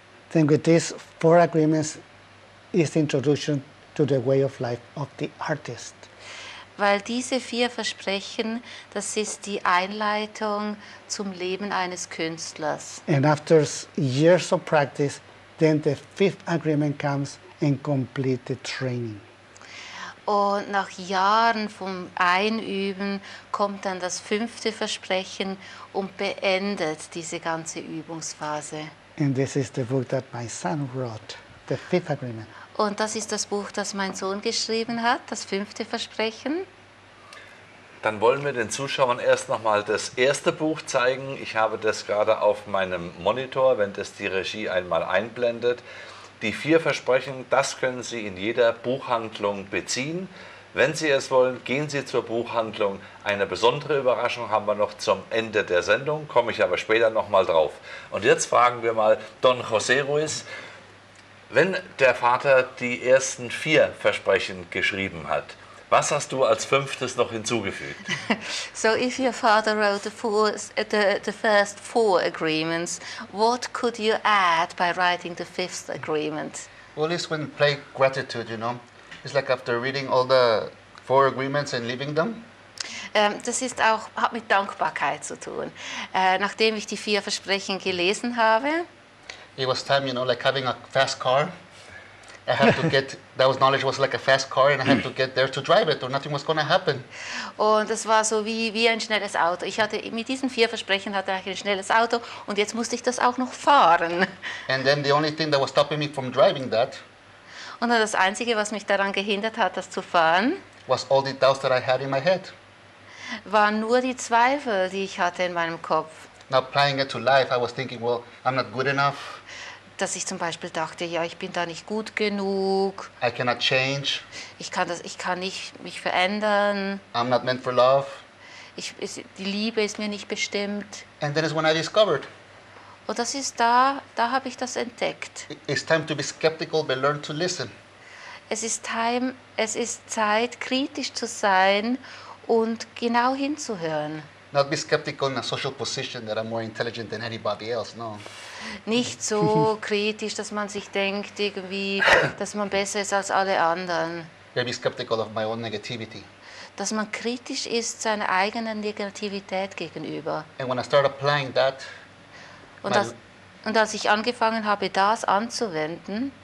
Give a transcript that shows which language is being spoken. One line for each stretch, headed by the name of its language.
English: Then with these four agreements is the introduction to the way of life of the artist.
German: Weil diese vier Versprechen, das ist die Einleitung zum Leben eines Künstlers.
English: And after years of practice, then the fifth agreement comes and completes the training.
German: Und nach Jahren vom Einüben kommt dann das fünfte Versprechen und beendet diese ganze Übungsphase.
English: And this is the book that my son wrote, the fifth agreement.
German: Und das ist das Buch, das mein Sohn geschrieben hat, das fünfte Versprechen. Dann wollen wir den Zuschauern erst nochmal das erste Buch zeigen. Ich habe das gerade auf meinem Monitor, wenn das die Regie einmal einblendet. Die vier Versprechen, das können Sie in jeder Buchhandlung beziehen. Wenn Sie es wollen, gehen Sie zur Buchhandlung. Eine besondere Überraschung haben wir noch zum Ende der Sendung, komme ich aber später nochmal drauf. Und jetzt fragen wir mal Don José Ruiz. Wenn der Vater die ersten vier Versprechen geschrieben hat, was hast du als fünftes noch hinzugefügt?
English: So if your father wrote the first four agreements, what could you add by writing the fifth agreement? Well, it's when play gratitude, you know. It's like after reading all the four agreements and leaving them.
German: Das ist auch, hat mit Dankbarkeit zu tun. Nachdem ich die vier Versprechen gelesen habe,
English: it was time, you know, like having a fast car. I had to get, that was knowledge was like a fast car and I had to get there to drive it or nothing was going to happen.
German: Und das war so wie ein schnelles Auto. Ich hatte mit diesen vier Versprechen hatte ich ein schnelles Auto und jetzt musste ich das auch noch fahren.
English: And then the only thing that was stopping me from driving that.
German: Und dann das Einzige, was mich daran gehindert hat, das zu fahren.
English: Was all the doubts that I had in my head.
German: Waren nur die Zweifel, die ich hatte in meinem Kopf.
English: Now applying it to life, I was thinking, well, I'm not good enough.
German: Dass ich zum Beispiel dachte, ja, ich bin da nicht gut genug.
English: I cannot change.
German: Ich kann nicht mich verändern.
English: I'm not meant for love.
German: Die Liebe ist mir nicht bestimmt.
English: And then is when I discovered.
German: Und das ist da habe ich das entdeckt.
English: It's time to be skeptical, but learn to listen.
German: Es ist Zeit, kritisch zu sein und genau hinzuhören.
English: Not be skeptical in a social position that I'm more intelligent than anybody else, no.
German: Nicht so kritisch, dass man sich denkt, irgendwie, dass man besser ist als alle anderen.
English: Maybe skeptical of my own negativity.
German: Dass man kritisch ist seiner eigenen Negativität gegenüber.
English: And when I start applying that,
German: und als ich angefangen habe, das anzuwenden,